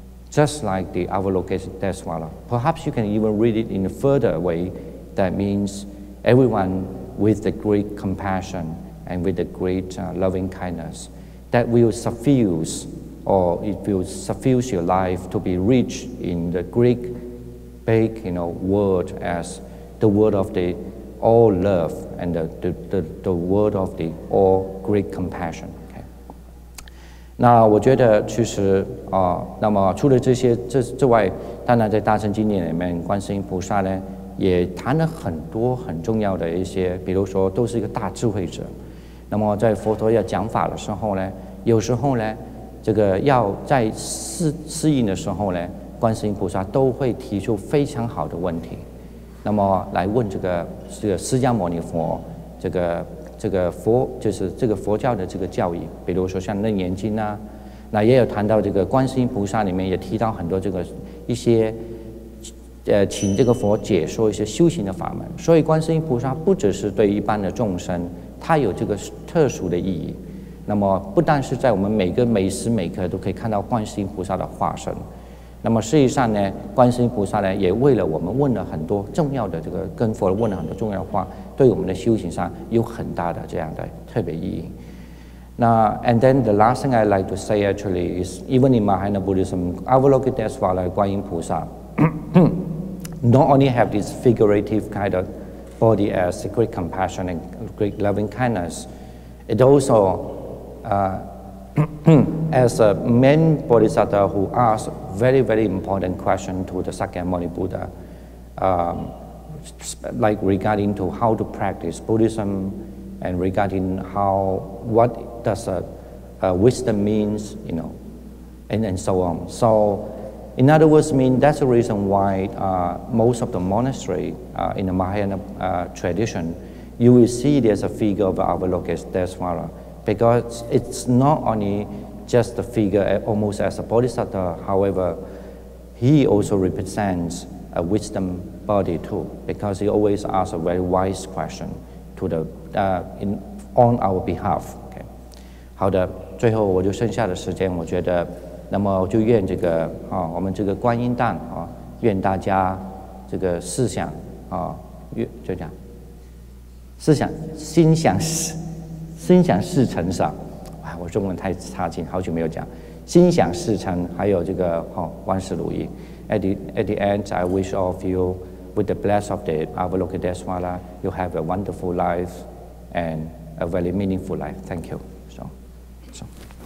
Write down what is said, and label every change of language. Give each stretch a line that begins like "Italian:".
English: just like the Avalokiteshvara, perhaps you can even read it in a further way, that means everyone,with the great compassion and with the great loving kindness that will suffuse, or it will suffuse your life to be rich in the Greek big, you know, word as the word of the all love and the word of the all great compassion. Okay.
Chinese: 那我觉得其实啊，那么除了这些之外，当然在大乘经典里面，观世音菩萨呢也谈了很多很重要的一些，比如说都是一个大智慧者。那么在佛陀要讲法的时候呢，有时候呢，这个要在适应的时候呢，观世音菩萨都会提出非常好的问题，那么来问这个释迦牟尼佛，这个佛就是这个佛教的这个教义，比如说像楞严经啊，那也有谈到这个观世音菩萨里面也提到很多这个一些。请这个佛解说一些修行的法门，所以观世音菩萨不只是对一般的众生，他有这个特殊的意义。那么不但是在我们每个每时每刻都可以看到观世音菩萨的化身，那么实际上呢，观世音菩萨呢也为了我们问了很多重要的这个跟佛问了很多重要的话，对我们的修行上有很大的这样的特别意义。
English: 那 and then the last thing I like to say actually is even in Mahayana Buddhism, Avalokiteshvara 观音菩萨。 Not only have this figurative kind of body as great compassion and great loving kindness, it also as a main bodhisattva who asked very, very important question to the Sakyamuni Buddha, like regarding to how to practice Buddhism and regarding how, what does wisdom means, you know, and so on. So,In other words, mean that's the reason why most of the monastery in the Mahayana tradition, you will see there's a figure of Avalokiteshvara, because it's not only just the figure almost as a bodhisattva, however, he also represents a wisdom body too, because he always asks a very wise question to the, on our behalf. Okay.
Chinese: 好的，最后我就剩下的时间，我觉得那么就愿这个啊，我们这个观音诞啊，愿大家这个思想啊，愿就这样，思想心想事成是吧？哎，我中文太差劲，好久没有讲，心想事成，还有这个哦，万事如意。
English: At the end, I wish all of you with the bless of the Avalokiteshvara, you have a wonderful life and a very meaningful life. Thank you. So.